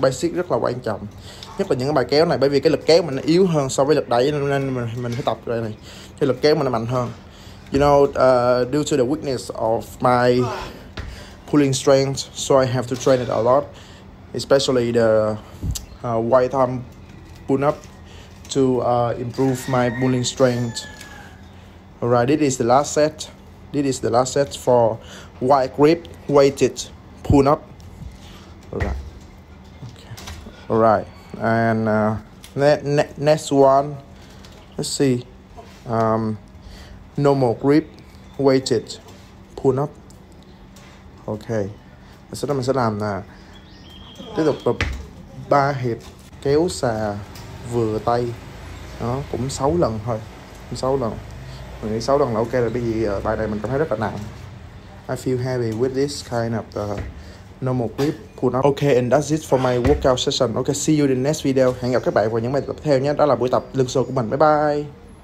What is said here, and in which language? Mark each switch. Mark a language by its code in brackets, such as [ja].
[vi] Basic rất là quan trọng, nhất là những cái bài kéo này, bởi vì cái lực kéo mình nó yếu hơn so với lực đẩy, nên mình phải tập cái này cho lực kéo mình nó mạnh hơn. [en] You know, due to the weakness of my pulling strength, so I have to train it a lot, especially the wide arm pull up to improve my pulling strength. Alright, this is the last set. This is the last set for wide grip weighted pull up. Alright. Okay. Alright. And next one, let's see, normal grip weighted pull up. [vi] Okay, sau đó mình sẽ làm là tiếp tục tập 3 hiệp kéo xà vừa tay đó, cũng 6 lần thôi. 6 lần, mình nghĩ 6 lần là ok rồi, bởi vì bài này mình cảm thấy rất là nặng. [en] I feel heavy with this kind of normal grip pull up. Okay, and that's it for my workout session. Okay, see you in the next video. [vi] Hẹn gặp các bạn vào những bài tập tiếp theo nhé. Đó là buổi tập lưng xô của mình. [en] Bye bye.